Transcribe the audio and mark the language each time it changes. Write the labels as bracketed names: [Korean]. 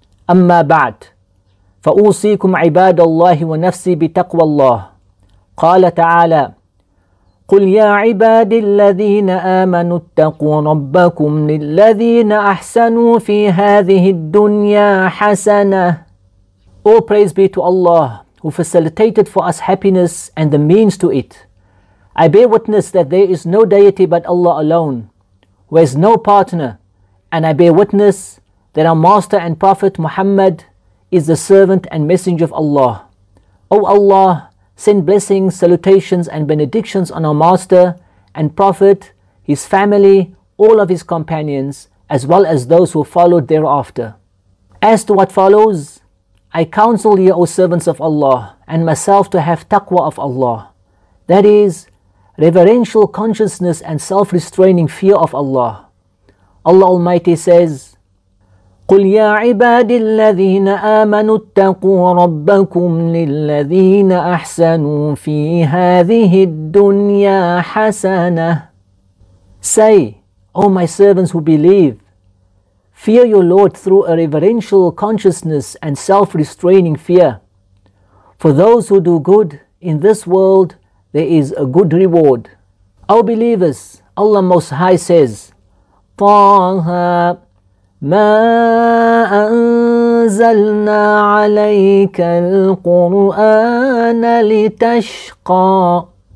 [Arabic] أما بعد، فأوصيكم عباد الله ونفسي بتقوى الله. قال تعالى: قل يا عباد الذين آمنوا اتقوا ربكم للذين أحسنوا في هذه الدنيا حسنة. [English] All praise be to Allah, who facilitated for us happiness and the means to it. I bear witness that there is no deity but Allah alone, who has no partner, and I bear witness that our master and prophet Muhammad is the servant and messenger of Allah. O Allah, send blessings, salutations and benedictions on our master and prophet, his family, all of his companions, as well as those who followed thereafter. As to what follows, I counsel you, O servants of Allah, and myself to have taqwa of Allah. That is, reverential consciousness and self-restraining fear of Allah. Allah Almighty says, [Arabic] قُلْ يَا عِبَادِ الَّذِينَ آمَنُوا اتَّقُوا رَبَّكُمْ لِلَّذِينَ أَحْسَنُوا فِي هَذِهِ الدُّنْيَا حَسَنَةً. [English] Say, O my servants who believe, fear your Lord through a reverential consciousness and self-restraining fear. For those who do good in this world, there is a good reward. O believers, Allah Most High says, [Arabic] طَاهَا مَا أَنزَلْنَا عَلَيْكَ الْقُرْآنَ لِتَشْقَى.